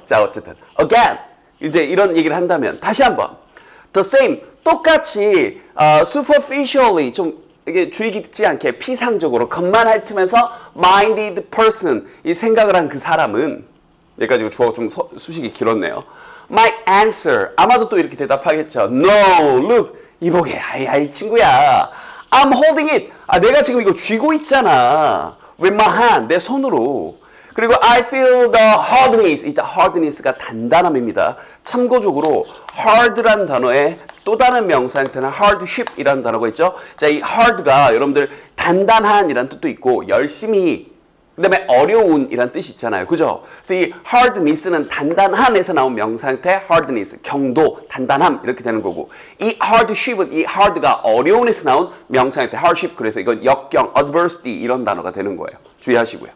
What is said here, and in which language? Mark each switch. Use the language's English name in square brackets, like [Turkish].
[Korean] 자, 어쨌든 again 이제 이런 얘기를 한다면 다시 한번 [English] the same [Korean] 똑같이 superficially 좀 이게 주의 깊지 않게 피상적으로 겉만 핥으면서 [English] minded person [Korean] 이 생각을 한 그 사람은 여기까지 주어가 좀 수식이 길었네요. [English] My answer [Korean] 아마도 또 이렇게 대답하겠죠. [English] No, look [Korean] 이보게, 아이 친구야. [English] I'm holding it. [Korean] 아, 내가 지금 이거 쥐고 있잖아. [English] With my hand, [Korean] 내 손으로. 그리고 [English] I feel the hardness. [Korean] 이따 hardness가 단단함입니다. 참고적으로 hard란 단어에 또 다른 명사 형태는 hardship이라는 단어가 있죠. 자, 이 hard가 여러분들 단단한이라는 뜻도 있고 열심히, 그 다음에 어려운이라는 뜻이 있잖아요. 그죠? 그래서 이 hardness는 단단함에서 나온 명상태 hardness, 경도, 단단함 이렇게 되는 거고 이 hardship은 이 hard가 어려운에서 나온 명상태 hardship 그래서 이건 역경, adversity 이런 단어가 되는 거예요. 주의하시고요.